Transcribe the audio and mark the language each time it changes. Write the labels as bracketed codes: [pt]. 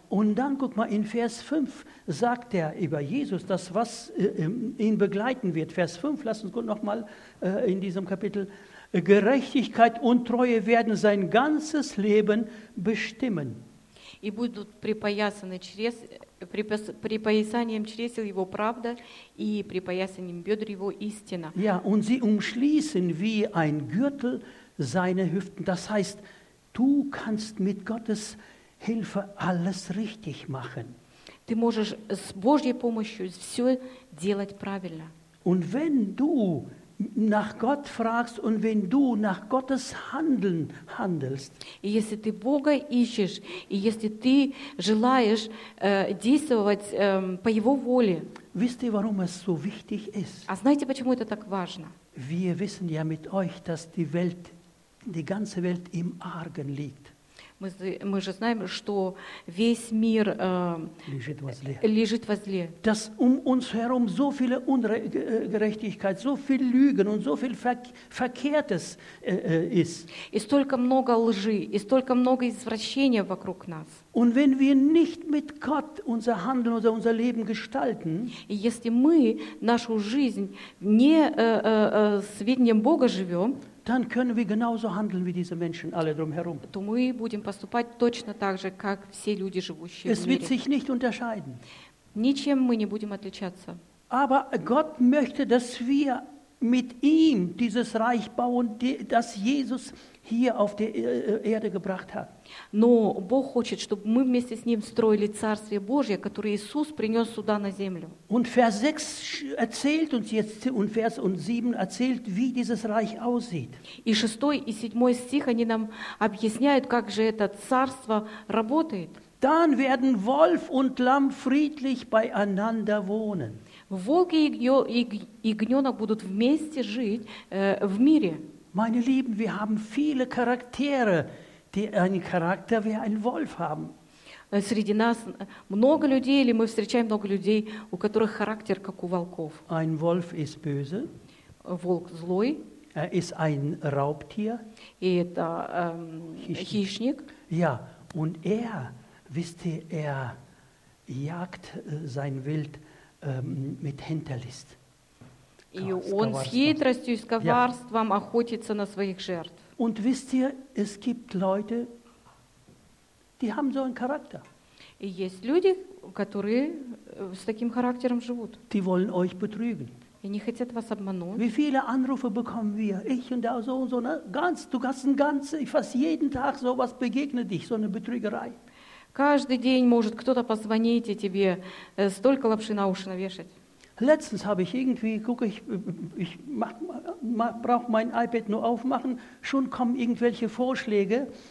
[de] Und dann guck mal in Vers 5 sagt über Jesus, das was ihn begleiten wird. Vers 5, lass uns gut noch mal in diesem Kapitel. Gerechtigkeit und Treue werden sein ganzes Leben bestimmen. [ru] И будут припоясаны через припоясанием чресел его правда и припоясанием бедер его истина. [de] Ja, und sie umschließen wie ein Gürtel seine Hüften. Das heißt, du kannst mit Gottes Hilfe alles richtig machen. [ru] Ты можешь с Божьей помощью все делать правильно. [de] Und wenn du nach Gott fragst und wenn du nach Gottes Handeln handelst. [ru] И если ты Бога ищешь, и если ты желаешь действовать по его воле. [de] Wisst ihr, warum es so wichtig ist? [ru] А знаете, почему это так важно? [de] Wir wissen ja mit euch, dass die Welt, die ganze Welt im Argen liegt. [ru] Мы же знаем, что весь мир лежит во зле. [de] Dass uns herum so viele Ungerechtigkeit, so viel Lügen und so viel Verkehrtes ist. [ru] И столько много лжи, и столько много извращения вокруг нас. [de] Und wenn wir nicht mit Gott unser Handeln oder unser Leben gestalten, [ru] если мы нашу жизнь не с видением Бога живем, [de] dann können wir genauso handeln wie diese Menschen alle drumherum. [ru] То мы будем поступать точно так же, как все люди, живущие в мире. [de] Es wird sich nicht unterscheiden. [ru] Ничем мы не будем отличаться. [de] Aber Gott möchte, dass wir mit ihm dieses Reich bauen, das Jesus hier auf der Erde gebracht hat. [ru] Но Бог хочет, чтобы мы вместе с ним строили Царствие Божье, которое Иисус принес сюда на землю. [de] Und Vers 6 erzählt uns jetzt und Vers 7 erzählt, wie dieses Reich aussieht. [ru] И 6 и 7 стих они нам объясняют, как же это царство работает. [de] Dann werden Wolf und Lamm friedlich beieinander wohnen. [ru] Волки и ягнёнок будут вместе жить в мире. [de] Meine Lieben, wir haben viele Charaktere, die einen Charakter wie ein Wolf haben. [ru] Среди нас много людей, или мы встречаем много людей, у которых характер как у волков. [de] Ein Wolf ist böse. [ru] Волк злой. [de] ist ein Raubtier. [ru] Это хищник. [de] Ja, und er, wisst ihr, er jagt sein Wild mit Hinterlist. [ru] И он с хитростью и с коварством охотится на своих жертв. [de] Und wisst ihr, es gibt Leute, die haben so einen Charakter. [ru] И есть люди, которые с таким характером живут. [de] Die wollen euch betrügen. [ru] И не хотят вас обмануть. [de] Wie viele Anrufe bekommen wir? Ich und der so und so, ne? Ganz, du hast ein ganze, fast jeden Tag sowas begegnet dich, so eine Betrügerei. [ru] Каждый день может кто-то позвонить и тебе столько лапши на уши навешать. [de] Letztens habe ich irgendwie, gucke ich brauche mein iPad nur aufmachen, schon kommen irgendwelche Vorschläge.